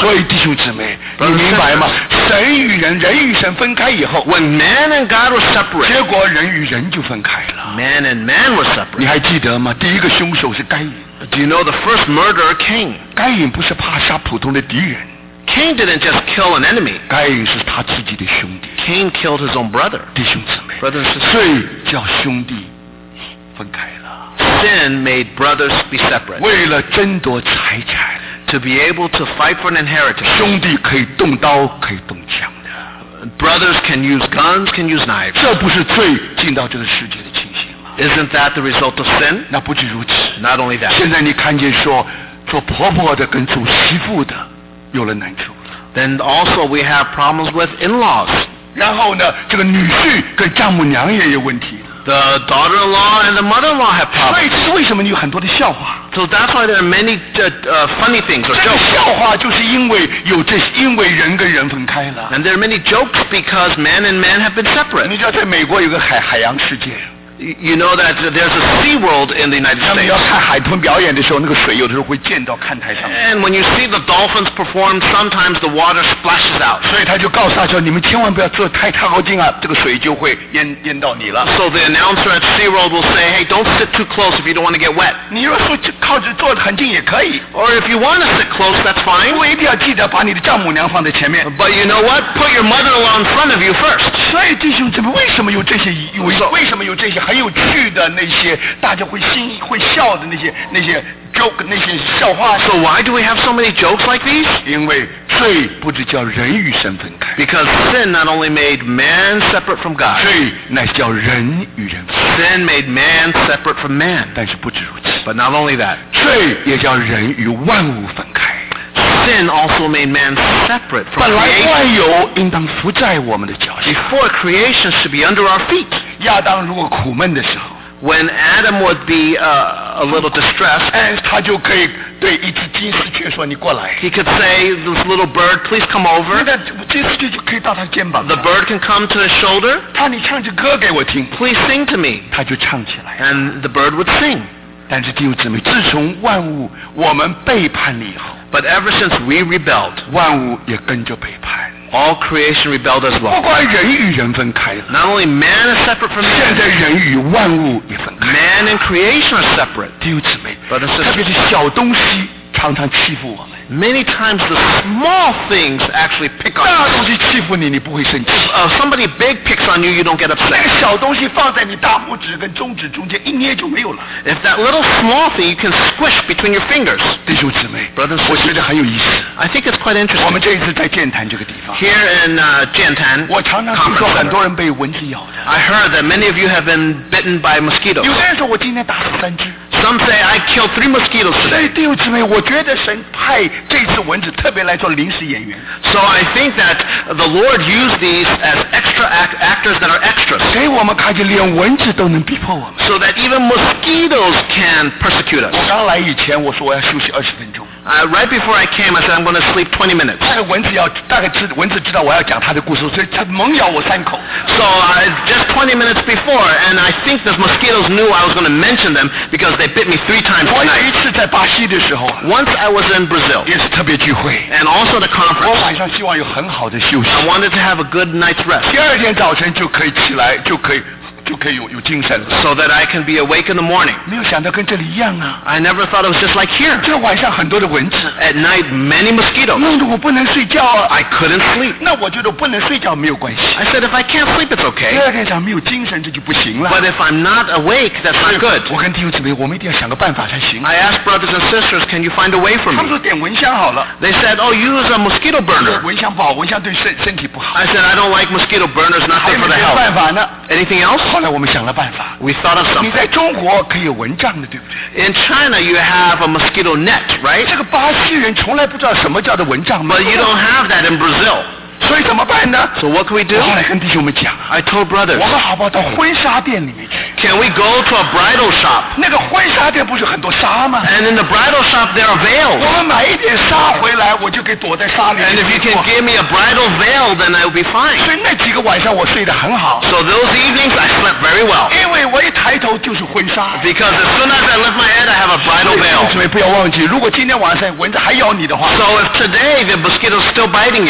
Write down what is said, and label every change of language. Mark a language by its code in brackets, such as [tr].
[zh] 所以弟兄姊妹，你明白吗？神与人，人与神分开以后。 [en] When man and God were separate, [zh] 结果人与人就分开了。 [en] Man and man were separate. [zh] 你还记得吗？第一个凶手是该隐。 [en] Do you know the first murderer, Cain? [zh] 该隐不是怕杀普通的敌人。 [en] Cain didn't just kill an enemy. [zh] 该隐是他自己的兄弟。 [en] Cain killed his own brother. [zh] 弟兄姊妹。 [en] Brother and sister. [zh] 罪叫兄弟分开了。 [en] Sin made brothers be separate. [zh] 为了争夺财产。 [en] To be able to fight for an inheritance. [zh] 兄弟可以动刀，可以动枪。 [en] Brothers can use guns, can use knives. [zh] 这不是罪进到这个世界的情形吗？ [en] Isn't that the result of sin? [zh] 那不止如此。 [en] Not only that. [zh] 现在你看见说，做婆婆的跟做媳妇的有了难处。 [en] Then also we have problems with in-laws. [zh] 然后呢，这个女婿跟丈母娘也有问题。 [en] The daughter-in-law and the mother-in-law have problems. [zh] 所以这是为什么你有很多的笑话。 [en] So that's why there are many funny things or jokes. [zh] 这个笑话就是因为有这些，因为人跟人分开了。 [en] And there are many jokes because man and man have been separate. [zh] 你知道在美国有个海洋世界。 [en] You know that there's a sea world in the United States. [zh] 他们要看海豚表演的时候，那个水有的时候会溅到看台上。 [en] And when you see the dolphins perform, sometimes the water splashes out. [zh] 所以他就告诉他说，你们千万不要坐太靠近啊，这个水就会淹到你了。 [en] So the announcer at Sea World will say, hey, don't sit too close if you don't want to get wet. [zh] 你若说靠着坐得很近也可以。 [en] Or if you want to sit close, that's fine. [zh] 因为一定要记得把你的丈母娘放在前面。 [en] But you know what? Put your mother-in-law in front of you first. [zh] 所以弟兄姊妹，为什么有这些为什么有这些很有趣的那些大家会笑的那些 joke 那些笑话。 [en] So why do we have so many jokes like these? [zh] 因为罪不只叫人与神分开。 [en] Because sin not only made man separate from God. [zh] 罪乃是叫人与人分开。 [en] Sin made man separate from man. [zh] 但是不止如此。 [en] But not only that. [zh] 罪也叫人与万物分开。 [en] Sin also made man separate from creation. [zh] 本来万有应当伏在我们的脚下。 [en] Before creation should be under our feet. [zh] 亚当如果苦闷的时候 [en] when Adam would be a little distressed, [zh] 他就可以对一只金丝雀说你过来。 [en] He could say, this little bird, please come over. [zh] 那个金丝雀就可以到他肩膀。 [en] The bird can come to his shoulder. [zh] 他你唱着歌给我听。 [en] Please sing to me. [zh] 他就唱起来。 [en] And the bird would sing. [zh] 但是弟兄姊妹，自从万物我们背叛了以后。 [en] But ever since we rebelled, [zh] 万物也跟着背叛。 [en] All creation rebelled as well. [zh] 不管人与人分开了。 [en] Not only man is separate from man. [zh] 现在人与万物也分开了。 [en] Man and creation are separate. [zh] 弟兄姊妹， [en] Brothers and sisters, [zh] 特别是小东西常常欺负我们。 [en] Many times the small things actually pick on you. [zh] 大东西欺负你，你不会生气。 [en] Somebody big picks on you, you don't get upset. [zh] 那个小东西放在你大拇指跟中指中间，一捏就没有了。 [en] If that little small thing you can squish between your fingers. [zh] 弟兄姊妹， [en] Brothers, [zh] 我觉得很有意思。 [en] I think it's quite interesting. [zh] 我们这一次在健谈这个地方。 [en] Here in Jiantan. [zh] 我常常听说很多人被蚊子咬的。 [en] I heard that many of you have been bitten by mosquitoes. [zh] 有的人说我今天打死三只。 [en] Some say I killed three mosquitoes today. [zh] 所以弟兄姊妹，我觉得神派这次蚊子特别来做临时演员。 [en] So I think that the Lord used these as extra actors that are extras. [zh] 给我们看见连蚊子都能逼迫我们。 [en] So that even mosquitoes can persecute us. [zh] 我刚来以前，我说我要休息二十分钟。 [en] Right before I came, I said I'm going to sleep 20 minutes. [zh] 大概蚊子知道我要讲他的故事，所以他猛咬我三口。 [en] So just 20 minutes before, and I think the mosquitoes knew I was going to mention them because they bit me three times. [zh] 我有一次在巴西的时候。 [en] Once I was in Brazil. [zh] 也是特别聚会。 [en] And also the conference. [zh] 我晚上希望有很好的休息。 [en] I wanted to have a good night's rest. [zh] 第二天早晨就可以起来，就可以有精神了。 [en] So that I can be awake in the morning. [zh] 没有想到跟这里一样啊。 [en] I never thought it was just like here. [zh] 这晚上很多的蚊子。 [en] At night, many mosquitoes. [zh] 弄得我不能睡觉啊。 [en] I couldn't sleep. [zh] 那我觉得不能睡觉没有关系。 [en] I said if I can't sleep, it's okay. [zh] 第二天早上没有精神，这就不行了。 [en] But if I'm not awake, that's not good. [zh] 我跟弟兄姊妹，我们一定要想个办法才行。 [en] I asked brothers and sisters, can you find a way for me? [zh] 他们说点蚊香好了。 [en] They said, oh, use a mosquito burner. [zh] 蚊香不好，蚊香对身体不好。 [en] I said I don't like mosquito burners, not good for the health. [zh] 还有没有办法呢？ [en] Anything else? [zh] 后来我们想了办法。 [en] We thought of something. [zh] 你在中国可以有蚊帐的，对不对？ [en] In China, you have a mosquito net, right? [zh] 这个巴西人从来不知道什么叫做蚊帐。 [en] But you don't have that in Brazil. [zh] 所以怎么办呢？ [en] So what can we do? [zh] 后来跟弟兄们讲。 [en] I told brothers. [zh] 我们好不好到婚纱店里面去？ [en] Can we go to a bridal shop? [zh] 那个婚纱店不是很多纱吗？ [en] And in the bridal shop, there are veils. [zh] 我们买一点纱回来，我就可以躲在纱里面。 [en] And if you can give me a bridal veil, then I will be fine. [zh] 所以那几个晚上我睡得很好。 [en] So those evenings, I slept very well. [zh] 因为我一抬头就是婚纱。 [en] Because as soon as I lift my head, I have a bridal veil. [zh] 所以弟兄们不要忘记，如果今天晚上蚊子还咬你的话。 [en] So if today the mosquito is still biting you.